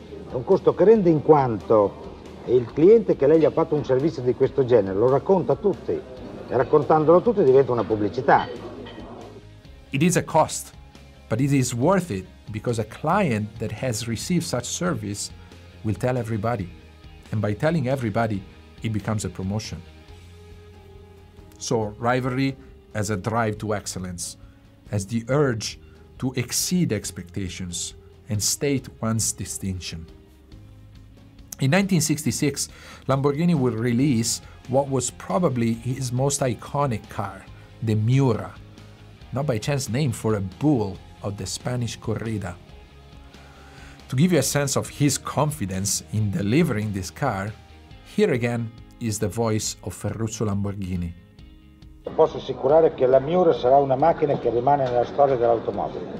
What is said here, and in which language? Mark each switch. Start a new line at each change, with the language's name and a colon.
Italian: È un costo che rende in quanto il cliente che lei gli ha fatto un servizio di questo genere lo racconta a tutti. E raccontandolo a tutti diventa una pubblicità.
English: It is a cost, but it is worth it because a client that has received such service will tell everybody. And by telling everybody, it becomes a promotion. So rivalry as a drive to excellence, as the urge to exceed expectations and state one's distinction. In 1966, Lamborghini will release what was probably his most iconic car, the Miura, not by chance named for a bull of the Spanish Corrida. To give you a sense of his confidence in delivering this car, here again is the voice of Ferruccio Lamborghini.
Italian: Posso assicurare che la Miura sarà una macchina che rimane nella storia dell'automobile.